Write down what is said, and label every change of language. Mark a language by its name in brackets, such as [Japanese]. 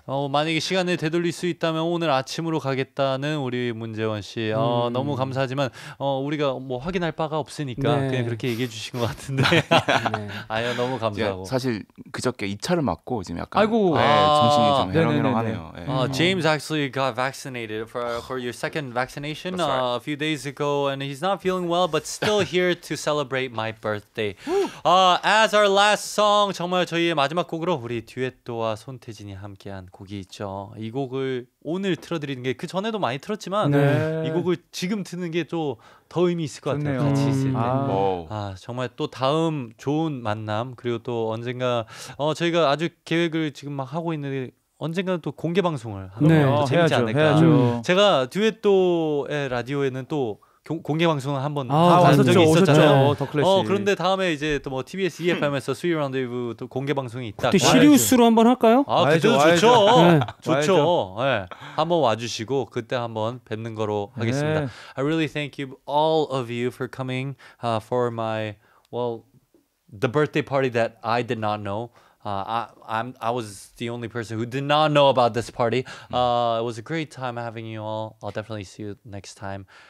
[Korean] 만약에 시간을 되돌릴 수 있다면 오늘 아침으로 가겠다는 우리 문재원 씨 너무 감사하지만 우리가 뭐 확인할 바가 없으니까 네. 그냥 그렇게 얘기해 주신 것 같은데 네. 아유 너무 감사하고 사실 그저께 2차를 맞고 지금 약간 아이고 네, 정신이 좀 해롱해롱하네요. 네. [English] James actually got vaccinated for your second vaccination a few days ago and he's not feeling well but still here to celebrate my birthday. As our last song [Korean] 정말 저희의 마지막 곡으로 우리 듀엣도와 손태진이 함께한 곡이 있죠. 이 곡을 오늘 틀어드리는 게 그 전에도 많이 틀었지만 네. 이 곡을 지금 트는 게 또 더 의미 있을 것 같아요. 같이 있을 때. 정말 또 다음 좋은 만남 그리고 또 언젠가 저희가 아주 계획을 지금 막 하고 있는 언젠가 또 공개 방송을 하는 것도 네. 재밌지 해야죠, 않을까. 해야죠. 제가 듀엣도의 라디오에는 또 공개 방송을 한번 한 적이 있었잖아요. 오셨죠. 더 클래식. 그런데 다음에 이제 또 뭐 TBS EFM에서 스위 라운드 또 공개 방송이 있다. 그때 시리우스로 한번 할까요? 그때도 좋죠. 네. 좋죠. 예. 네. 한번 와 주시고 그때 한번 뵙는 거로 하겠습니다. 네. [English] I really thank you all of you for coming for my well the birthday party that I did not know. I was the only person who did not know about this party. It was a great time having you all. I'll definitely see you next time.